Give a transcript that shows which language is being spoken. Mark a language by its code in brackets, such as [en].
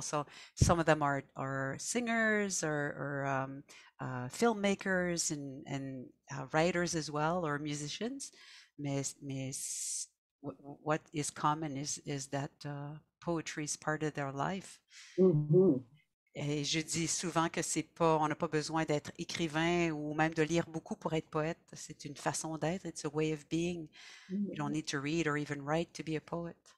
[en] So some of them are singers or filmmakers and writers as well, or musicians. Mais what is common is that poetry is part of their life. Mm-hmm. [fr] Et je dis souvent que c'est pas, on n'a pas besoin d'être écrivain ou même de lire beaucoup pour être poète. C'est une façon d'être. [en] It's a way of being. You don't need to read or even write to be a poet.